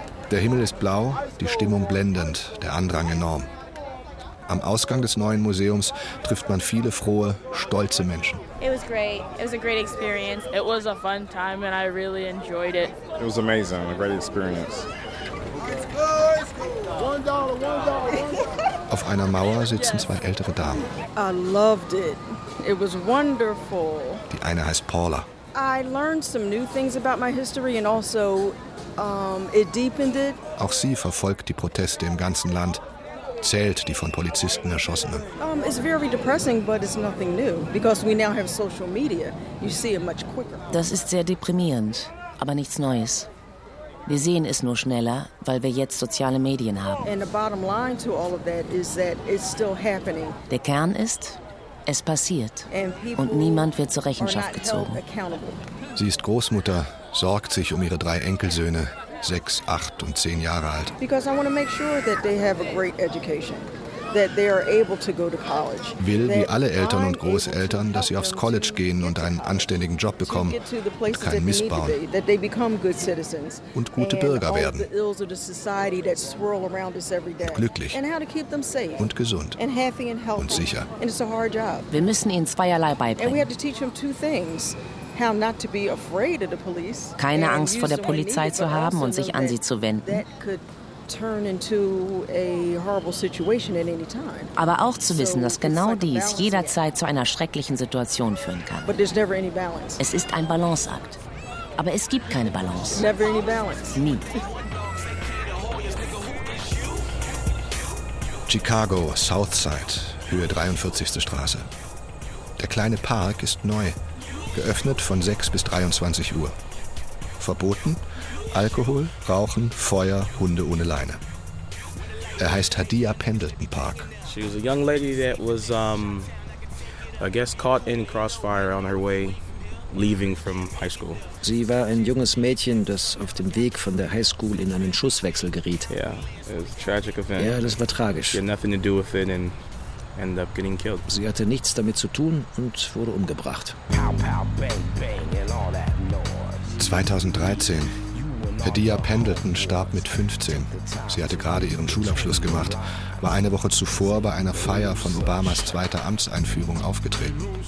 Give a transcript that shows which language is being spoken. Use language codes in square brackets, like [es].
[de] Der Himmel ist blau, die Stimmung blendend, der Andrang enorm. Am Ausgang des neuen Museums trifft man viele frohe, stolze Menschen. [en] It was great. It was a great experience. It was a fun time and I really enjoyed it. It was amazing. A great experience. [de] Auf einer Mauer sitzen 2 ältere Damen. [en] I loved it. It was wonderful. [de] Die eine heißt Paula. [en] I learned some new things about my history and also it deepened it. [de] Auch sie verfolgt die Proteste im ganzen Land. erzählt, die von Polizisten erschossenen. [en] It's very depressing, but it's nothing new because we now have social media. You see it much quicker. [de] Das ist sehr deprimierend, aber nichts Neues. Wir sehen es nur schneller, weil wir jetzt soziale Medien haben. [en] And the bottom line to all of that is that it's still happening. [de] Der Kern ist, es passiert und niemand wird zur Rechenschaft gezogen. Sie ist Großmutter, sorgt sich um ihre drei Enkelsöhne, 6, 8 und 10 Jahre alt. [en] Because I want to make sure that they have a great education, that they are able to go to college. [de] Will wie alle Eltern und Großeltern, dass sie aufs College gehen und einen anständigen Job bekommen, keinen missbauen, [en] that they become good citizens [de] und gute Bürger werden. [en] And all the ills of the society that swirl around us every day. [de] Glücklich [en] and how to keep them safe [de] und gesund [en] and happy and healthy [de] und sicher. [en] And it's a hard job. [de] Wir müssen ihnen zweierlei beibringen. [en] And we have to teach them two things. How not to be afraid of the police. [de] Keine Angst vor der Polizei zu haben und sich an sie zu wenden. [en] That could turn into a horrible situation at any time. [de] Aber auch zu wissen, dass genau dies jederzeit zu einer schrecklichen Situation führen kann. [en] But there's never any balance. [de] Es ist ein Balanceakt. Aber es gibt keine Balance. [en] Never any balance. [de] Nie. Chicago, Southside, Höhe 43. Straße. Der kleine Park ist neu. Geöffnet von 6 bis 23 Uhr. Verboten? Alkohol, Rauchen, Feuer, Hunde ohne Leine. Er heißt Hadia Pendleton Park. [en] She was a young lady that was, I guess, caught in crossfire on her way leaving from high school. [de] Sie war ein junges Mädchen, das auf dem Weg von der High School in einen Schusswechsel geriet. [en] Yeah, it was a tragic event. [de] Ja, das war tragisch. [en] She had nothing to do with it and ended up getting killed. [de] Sie hatte nichts damit zu tun und wurde umgebracht. 2013. Hadia Pendleton starb mit 15. Sie hatte gerade ihren Schulabschluss gemacht, war eine Woche zuvor bei einer Feier von Obamas zweiter Amtseinführung aufgetreten.